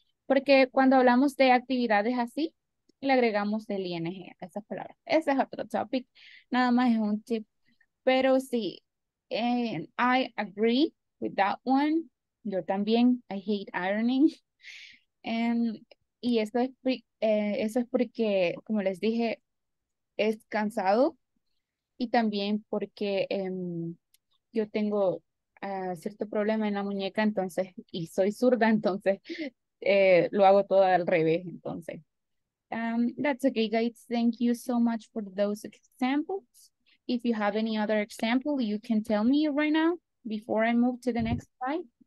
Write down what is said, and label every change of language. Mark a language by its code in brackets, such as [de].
[es] Porque cuando hablamos de actividades así, le agregamos el ing a esas palabras. Ese es otro topic, nada más es un tip. Pero sí, [en] and I agree with that one. [es] Yo también, [en] I hate ironing. [es] Y eso es porque, como les dije, es cansado. Y también porque yo tengo cierto problema en la muñeca, entonces, y soy zurda, entonces lo hago todo al revés, entonces. [en] That's okay, guys. Thank you so much for those examples. If you have any other example, you can tell me right now before I move to the next slide.